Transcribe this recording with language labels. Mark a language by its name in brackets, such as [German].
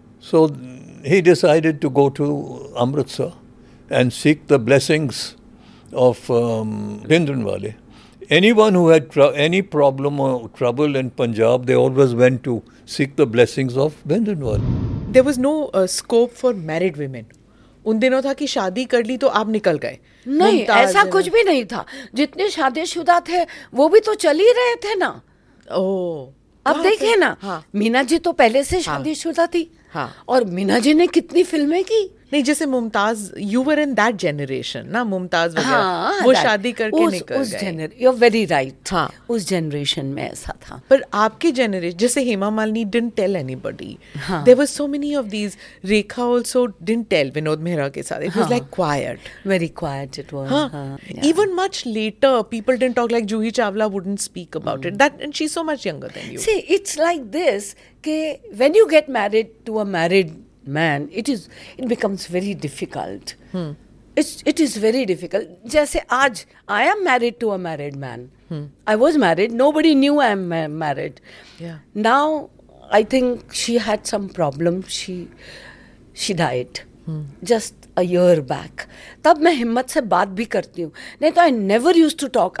[English] So he decided to go to Amritsar and seek the blessings of Bindranwale. Anyone who had any problem or trouble in Punjab, they always went to seek the blessings of Bindranwale. there was no scope for married women. [Hindi] उन दिनों था कि शादी कर ली तो आप निकल गए. नहीं, ऐसा कुछ भी नहीं था. जितने शादीशुदा थे वो भी तो चल ही रहे थे ना. ओ अब देखे ना, मीना जी तो पहले से शादीशुदा थी. हाँ. और मीना जी ने कितनी फिल्में की. नहीं, जैसे Mumtaz, [English] you were in that generation [Hindi] ना, मुमताज वगैरह. हाँ, वो शादी करके निकल गए. [English] You are very right. [Hindi] हाँ, उस जेनरेशन में ऐसा था. पर आपके जेनरेशन, जैसे Hema Malini [English] Didn't tell anybody. There were so many of these. Rekha also didn't tell Vinod Mehra [Hindi] के साथ. [English] It was like quite, very quite it was. Even much later people didn't talk, like Juhi Chawla wouldn't speak about it that, and she so much younger than you. See, it's like this के when you get married to a married man, it becomes very difficult. It is very difficult. [Hindi] Jaise aaj [English] I am married to a married man. I was married, nobody knew I am married. Yeah. Now I think she had some problem, she died. Just a year back. [Hindi] Tab main himmat se baat bhi karti hu, nahi to [English] I never used to talk.